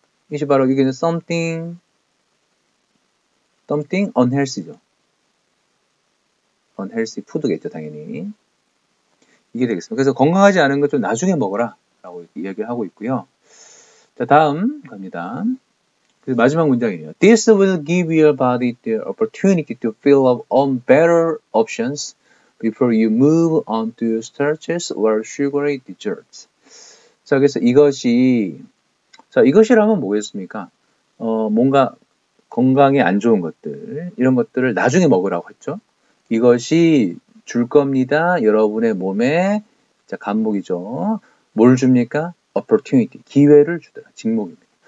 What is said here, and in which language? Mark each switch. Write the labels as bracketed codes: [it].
[ko] it이 바로 이게 something unhealthy 죠. unhealthy food 겠죠, 당연히. 이게 되겠습니다. 그래서 건강하지 않은 것 좀 나중에 먹어라. 라고 이야기를 하고 있고요. 자, 다음 갑니다. 그래서 마지막 문장이에요. [en] This will give your body the opportunity to fill up on better options before you move on to starches or sugary desserts. [ko] 자, 그래서 이것이, 자, 이것이라면 뭐겠습니까? 뭔가 건강에 안 좋은 것들, 이런 것들을 나중에 먹으라고 했죠? 이것이 줄 겁니다. 여러분의 몸에, 자, 간목이죠. 뭘 줍니까? opportunity. 기회를 주더라. 직목입니다.